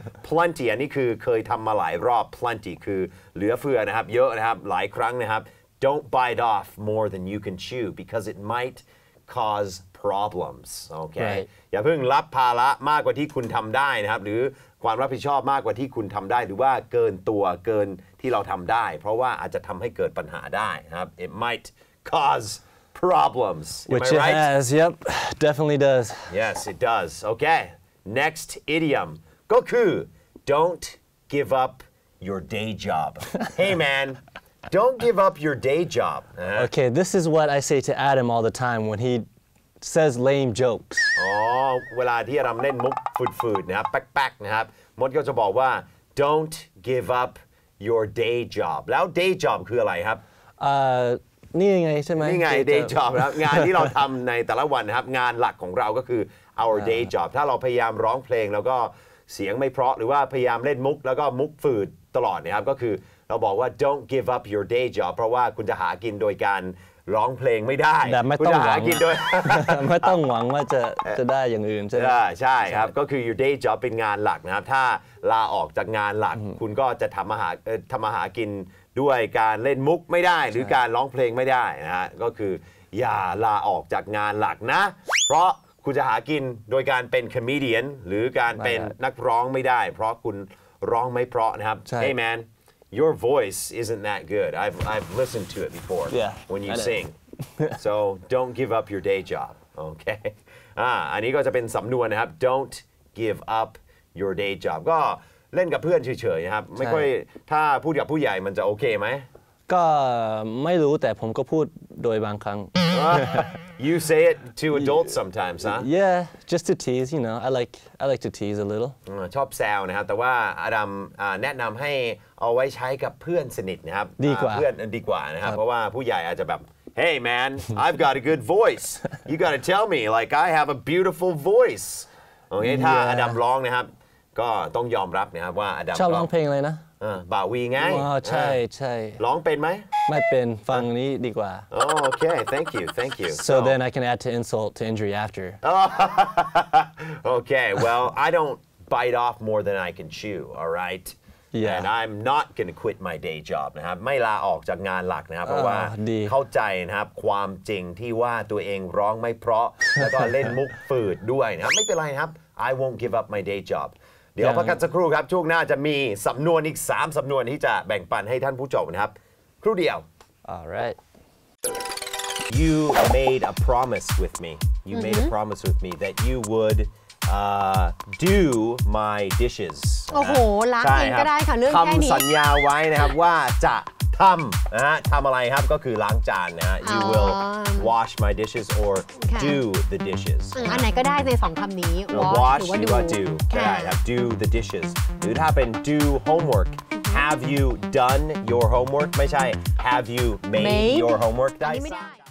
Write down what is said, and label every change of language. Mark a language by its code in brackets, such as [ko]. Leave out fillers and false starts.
[th] plenty อันนี้คือเคยทำมาหลายรอบ plenty คือเหลือเฟือนะครับเยอะนะครับหลายครั้งนะครับ [en] don't bite off more than you can chew because it might cause problems okay right. [th] อย่าเพิ่งรับภาระมากกว่าที่คุณทำได้นะครับหรือความรับผิดชอบมากกว่าที่คุณทำได้หรือว่าเกินตัวเกินที่เราทำได้เพราะว่าอาจจะทำให้เกิดปัญหาได้นะครับ [en] It might cause problems Which it has, yep, definitely does Yes, it does, okay Next idiom [th] ก็คือ [en] Don't give up your day job Hey man, don't give up your day job Okay, this is what I say to Adam all the time when he says lame jokes [th] เวลาที่อดัมเล่นมุกฟืดๆนะครับแป๊กๆนะครับมดก็จะบอกว่า [en] don't give up your day job [th] แล้ว day job คืออะไรครับ นี่ไงใช่ไหม นี่ไง day job ครับงานที่เราทำในแต่ละวันนะครับงานหลักของเราก็คือ our day job ถ้าเราพยายามร้องเพลงแล้วก็เสียงไม่เพราะหรือว่าพยายามเล่นมุกแล้วก็มุกฟืดตลอดนะครับก็คือเราบอกว่า [en] don't give up your day job [th] เพราะว่าคุณจะหากินโดยการร้องเพลงไม่ได้ แต่ไม่ต้องหวังไม่ต้องหวังว่าจะได้อย่างอื่นใช่ไหม ใช่ครับก็คือ your day job เป็นงานหลักนะครับถ้าลาออกจากงานหลักคุณก็จะทำมาหากินด้วยการเล่นมุกไม่ได้หรือการร้องเพลงไม่ได้นะฮะก็คืออย่าลาออกจากงานหลักนะเพราะคุณจะหากินโดยการเป็น comedian หรือการเป็นนักร้องไม่ได้เพราะคุณร้องไม่เพราะนะครับ [en] Hey manYour voice isn't that good. I've listened to it before when you sing. So don't give up your day job. Okay. [th] อันนี้ก็จะเป็นสำนวนนะครับ [en] Don't give up your day job. [th] ก็เล่นกับเพื่อนเฉยๆนะครับไม่ค่อยถ้าพูดกับผู้ใหญ่มันจะโอเคไหม ก็ไม่รู้แต่ผมก็พูดโดยบางครั้ง [en] You say it to adults sometimes, huh? Yeah, just to tease, you know. I like to tease a little. [th] ชอบแซวนะครับแต่ว่าอดัมแนะนำให้เอาไว้ใช้กับเพื่อนสนิทนะครับ ดีกว่า เพื่อนดีกว่านะครับเพราะว่าผู้ใหญ่อาจจะแบบ [en] Hey man, I've got a good voice. You gotta tell me, like I have a beautiful voice. [th] โอเคถ้าอดัมร้องนะครับก็ต้องยอมรับนะครับว่าอดัม ชอบร้องเพลงเลยนะ บ่าวีง่าย อ๋อใช่ใช่ร้องเป็นไหม ไม่เป็นฟังนี้ดีกว่า โอเค [en] thank you so then I can add to insult to injury after okay well I don't bite off more than I can chew all right Yeah. And I'm not going to quit my day job [th] นะครับไม่ลาออกจากงานหลักนะครับเพราะว่าเข้าใจนะครับความจริงที่ว่าตัวเองร้องไม่เพราะ แล้วก็เล่นมุกฝืดด้วยนะครับไม่เป็นไรครับ [en] I won't give up my day job [th] เดี๋ยวพักกันสักครู่ครับช่วงหน้าจะมีสำนวนอีก3สำนวนที่จะแบ่งปันให้ท่านผู้ชมนะครับครู่เดียว [en] All right You made a promise with me You made a promise with me that you woulddo my dishes [th] โอ้โหล้างเองก็ได้ค่ะเรื่องแค่นี้ คำสัญญาไว้นะครับว่าจะทำนะฮะทำอะไรครับก็คือล้างจานนะฮะ [en] you will wash my dishes or do the dishes [th] อันไหนก็ได้ใน2คำนี้ [en] wash [th] หรือว่า [en] do [th] ใช่ครับ [en] do the dishes [th] หรือถ้าเป็น [en] do homework have you done your homework [th] ไม่ใช่ [en] have you made your homework [th] ได้ไหม